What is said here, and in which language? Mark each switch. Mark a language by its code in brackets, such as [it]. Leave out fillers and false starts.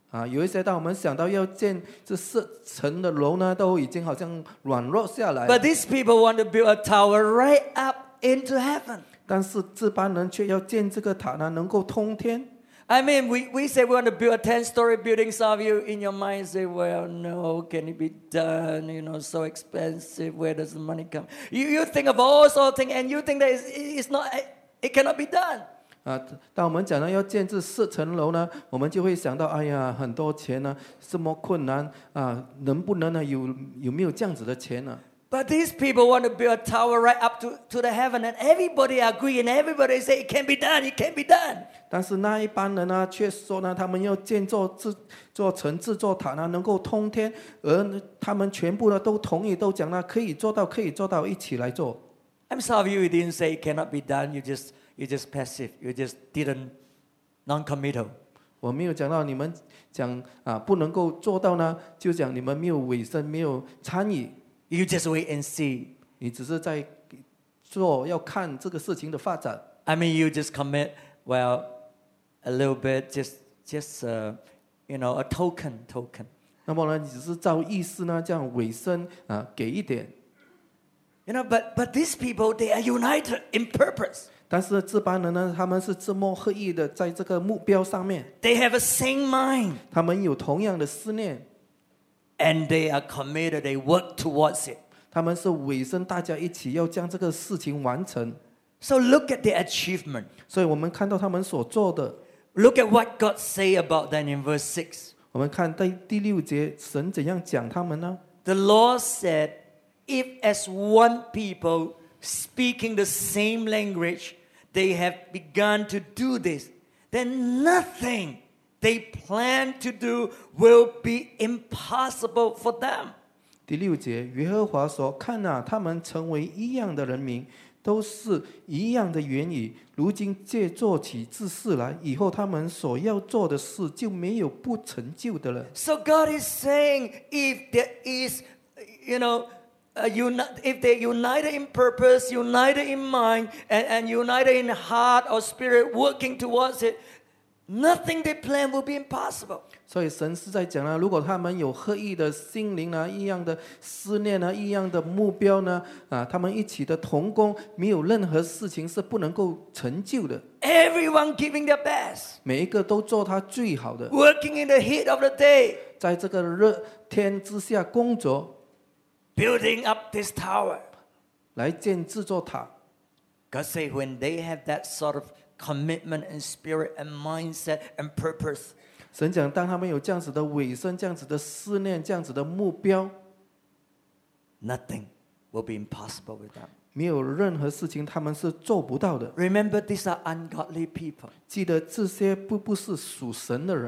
[zh] 有一些当我们想到要建这四层的楼呢，都已经好像软弱下来。 [en] But these people want to build a tower right up into heaven. [zh] 但是这帮人却要建这个塔呢，能够通天。 [en] I mean, we say we want to build a 10-story building. Some of you in your mind say, well, no, can it be done? You know, so expensive. Where does the money come? You think of all sorts of things and you think that it cannot be done. [zh] 当我们讲到要建这四层楼呢，我们就会想到，哎呀，很多钱呢，这么困难，能不能呢，有没有这样子的钱呢？ [en] But these people want to build a tower right up to the heaven, and everybody agree, and everybody say it can be done, it can be done. [zh] 但是那一般人呢，却说呢，他们要建造这城、这座塔呢，能够通天，而他们全部呢都同意，都讲呢可以做到，可以做到，一起来做。 [en] I'm sorry, you didn't say it cannot be done. You just passive. You just didn't non-committal. [zh] 我没有讲到你们讲啊不能够做到呢，就讲你们没有委身，没有参与。 [en] You just wait and see. [zh] 你只是在做，要看这个事情的发展。 [en] I mean, you just commit, well, a little bit, just you know, a token. [zh] 那么呢，你只是照意思呢，这样委身啊，给一点。 [en] You know, but these people, they are united in purpose. [zh] 但是这帮人呢，他们是志谋合一的，在这个目标上面。 [en] They have a same mind. [zh] 他们有同样的思念。 [en] And they are committed. They work towards it. [zh] 他们是委身，大家一起要将这个事情完成。 [en] So look at the achievement. [zh] 所以我们看到他们所做的。 [en] Look at what God say about them in verse 6. [zh] 我们看第六节，神怎样讲他们呢？ [en] The Lord said, if as one people speaking the same language, they have begun to do this, then nothing they plan to do will be impossible for them. [zh] 第六节，耶和华说，看啊，他们成为一样的人民，都是一样的言语，如今借做起这事来，以后他们所要做的事就没有不成就的了。 [en] So God is saying, if there is, you know, if they united in purpose, united in mind, and united in heart or spirit working towards it,Nothing they plan will be impossible. [zh] 所以神是在讲呢，如果他们有合一的心灵呢，一样的思念呢，一样的目标呢，啊，他们一起的同工，没有任何事情是不能够成就的。 [en] Everyone giving their best. [zh] 每一个都做他最好的。 [en] Working in the heat of the day. [zh] 在这个热天之下工作。 [en] Building up this tower. [zh] 来建这座塔。 [en] God say when they have that sort of. Commitment and spirit and mindset and purpose. [zh] 神讲，当他们有这样子的委身，这样子的思念，这样子的目标 [en] ，nothing will be impossible with them. [zh] 没有任何事情他们是做不到的。 [en] Remember, these are ungodly people. [zh] 记得这些不是属神的人。